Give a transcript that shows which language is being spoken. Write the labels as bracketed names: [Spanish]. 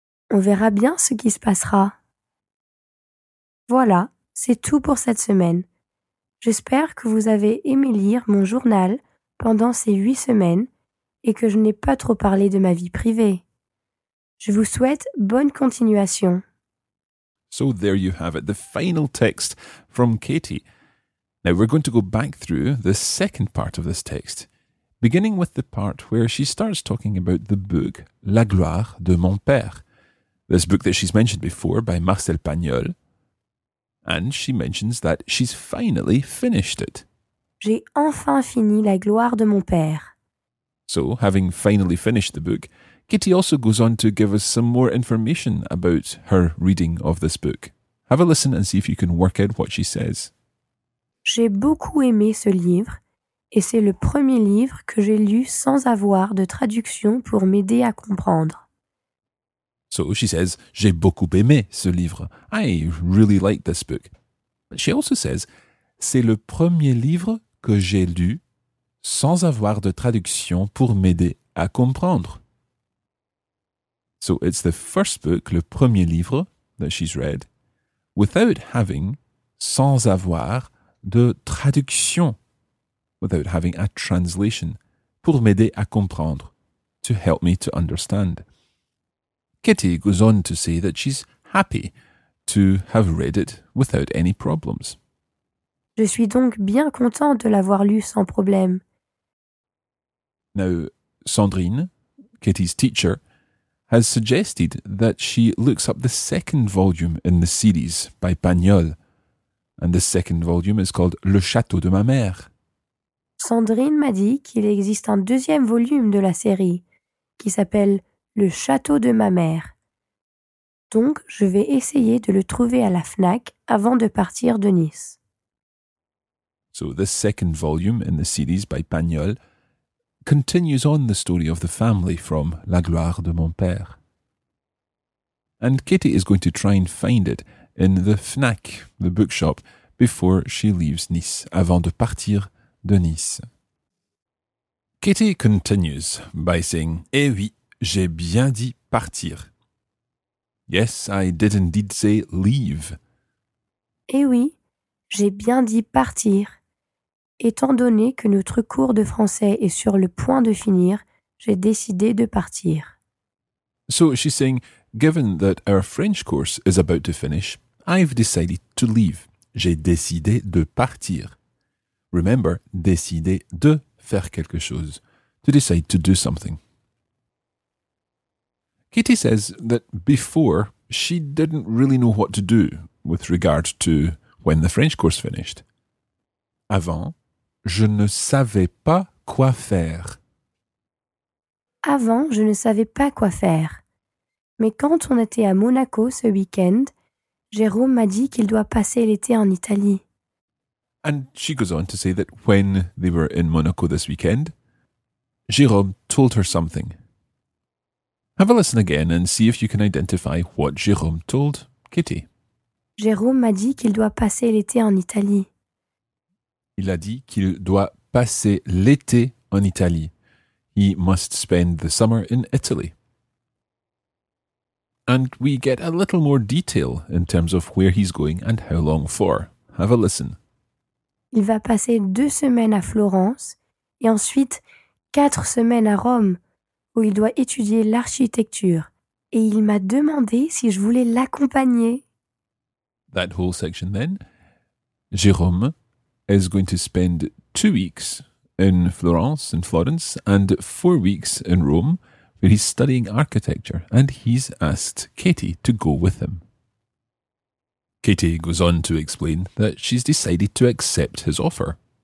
[French] On verra bien ce qui se passera. Voilà, c'est tout pour cette semaine. J'espère que vous avez aimé lire mon journal pendant ces 8 semaines et que je n'ai pas trop parlé de ma vie privée. Je vous souhaite bonne continuation. [English] So there you have it, the final text from Katie. Now we're going to go back through the second part of this text, beginning with the part where she starts talking about the book La Gloire de mon père, this book that she's mentioned before by Marcel Pagnol, and she mentions that she's finally finished it. [French] J'ai enfin fini La Gloire de mon père. [English] So, having finally finished the book, Kitty also goes on to give us some more information about her reading of this book. Have a listen and see if you can work out what she says. [French] J'ai beaucoup aimé ce livre et c'est le premier livre que j'ai lu sans avoir de traduction pour m'aider à comprendre. [English] So she says, [French] j'ai beaucoup aimé ce livre. [English] I really like this book. But she also says, [French] c'est le premier livre que j'ai lu sans avoir de traduction pour m'aider à comprendre. [English] So it's the first book, [French] le premier livre [English] that she's read, without having, [French] sans avoir, de traduction, [English] without having a translation, [French] pour m'aider à comprendre, [English] to help me to understand. Kitty goes on to say that she's happy to have read it without any problems. [French] Je suis donc bien contente de l'avoir lu sans problème. [English] Now, Sandrine, Kitty's teacher, has suggested that she looks up the second volume in the series by Pagnol. And the second volume is called Le Château de ma mère. [French] Sandrine m'a dit qu'il existe un deuxième volume de la série qui s'appelle Le Château de ma mère. Donc, je vais essayer de le trouver à la FNAC avant de partir de Nice. [English] So, the second volume in the series by Pagnol continues on the story of the family from La Gloire de mon père. And Kitty is going to try and find it in the FNAC, the bookshop, before she leaves Nice, [French] avant de partir de Nice. [English] Kitty continues by saying, [French] eh oui, j'ai bien dit partir. [English] Yes, I did indeed say leave. [French] Eh oui, j'ai bien dit partir. Étant donné que notre cours de français est sur le point de finir, j'ai décidé de partir. [English] So she's saying, given that our French course is about to finish, I've decided to leave. [French] J'ai décidé de partir. [English] Remember, [French] décider de faire quelque chose. [English] To decide to do something. Kitty says that before, she didn't really know what to do with regard to when the French course finished. [French] Avant, je ne savais pas quoi faire. Avant, je ne savais pas quoi faire. Mais quand on était à Monaco ce week-end, Jérôme m'a dit qu'il doit passer l'été en Italie. [English] And she goes on to say that when they were in Monaco this weekend, Jérôme told her something. Have a listen again and see if you can identify what Jérôme told Kitty. [French] Jérôme m'a dit qu'il doit passer l'été en Italie. Il a dit qu'il doit passer l'été en Italie. [English] He must spend the summer in Italy. And we get a little more detail in terms of where he's going and how long for. Have a listen. [French] Il va passer 2 semaines à Florence et ensuite 4 semaines à Rome, où il doit étudier l'architecture. Et il m'a demandé si je voulais l'accompagner. [English] That whole section then. Jérôme is going to spend 2 weeks in Florence, in Florence, and 4 weeks in Rome, where he's studying architecture, and he's asked Katie to go with him. Katie goes on to explain that she's decided to accept his offer.